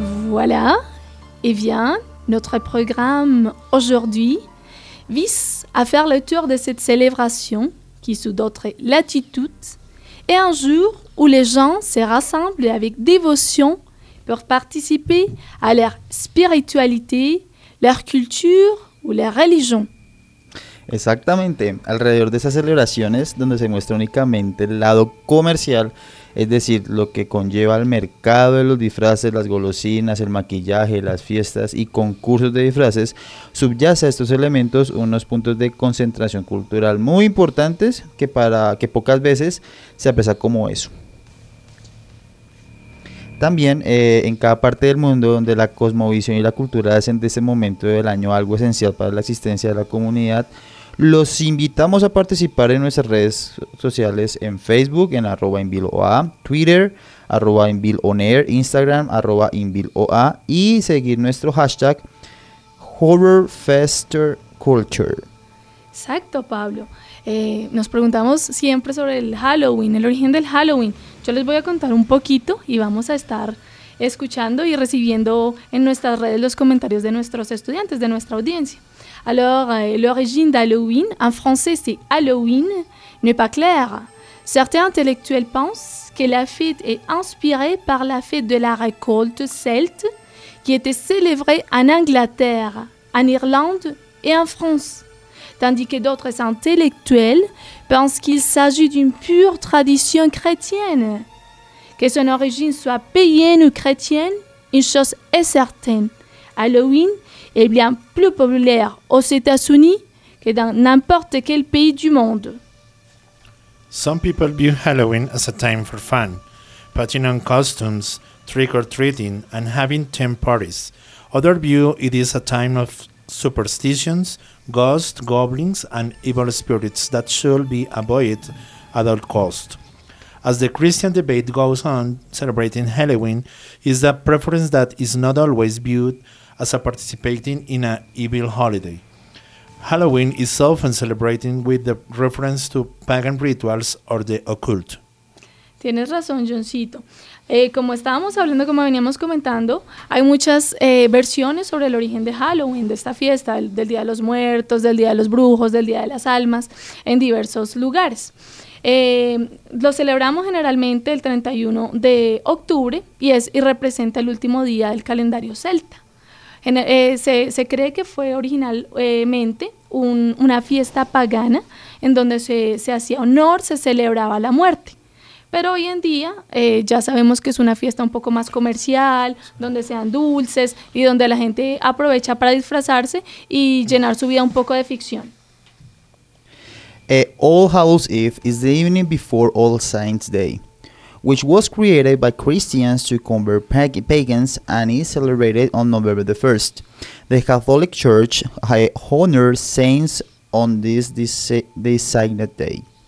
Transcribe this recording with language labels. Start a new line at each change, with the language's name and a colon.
French: Voilà, et bien, notre programme aujourd'hui vise à faire le tour de cette célébration qui, sous d'autres latitudes, est un jour où les gens se rassemblent avec dévotion pour participer à leur spiritualité, leur culture ou leur religion.
Spanish: Exactamente, alrededor de esas celebraciones donde se muestra únicamente el lado comercial, es decir, lo que conlleva el mercado de los disfraces, las golosinas, el maquillaje, las fiestas y concursos de disfraces, subyace a estos elementos unos puntos de concentración cultural muy importantes que pocas veces se aprecia como eso. También en cada parte del mundo donde la cosmovisión y la cultura hacen de ese momento del año algo esencial para la existencia de la comunidad, los invitamos a participar en nuestras redes sociales en Facebook, en @invilOA, Twitter, @invilOnAir, Instagram, @invilOA y seguir nuestro hashtag HorrorFesterCulture. Exacto, Pablo. Nos preguntamos siempre sobre el Halloween, el origen del Halloween. Yo les voy a contar un poquito y vamos a estar escuchando y recibiendo en nuestras redes los comentarios de nuestros estudiantes, de nuestra audiencia.
French: Alors, l'origine d'Halloween, en français c'est Halloween, n'est pas claire. Certains intellectuels pensent que la fête est inspirée par la fête de la récolte celte qui était célébrée en Angleterre, en Irlande et en France. Tandis que d'autres intellectuels pensent qu'il s'agit d'une pure tradition chrétienne. Que son origine soit païenne ou chrétienne, une chose est certaine. Halloween est bien plus populaire aux États-Unis que dans n'importe quel pays du monde.
English: Some people view Halloween as a time for fun, putting on costumes, trick-or-treating, and having theme parties. Others view it is a time of superstitions, ghosts, goblins, and evil spirits that should be avoided at all cost. As the Christian debate goes on, celebrating Halloween is a preference that is not always viewed as a participating in an evil holiday. Halloween is often celebrated with the reference to pagan rituals or the occult.
Spanish: Tienes razón, Johncito. Como estábamos hablando, como veníamos comentando, hay muchas versiones sobre el origen de Halloween, de esta fiesta, del Día de los Muertos, del Día de los Brujos, del Día de las Almas, en diversos lugares. Lo celebramos generalmente el 31 de octubre y representa el último día del calendario celta. Se cree que fue originalmente una fiesta pagana en donde se hacía honor, se celebraba la muerte. Pero hoy en día ya sabemos que es una fiesta un poco más comercial, donde se dan dulces y donde la gente aprovecha para disfrazarse y llenar su vida un poco de ficción.
English: All Hallows Eve is the evening before All Saints Day, which was created by Christians to convert pagans and is celebrated on November the 1st. The Catholic Church honors saints on this designated day.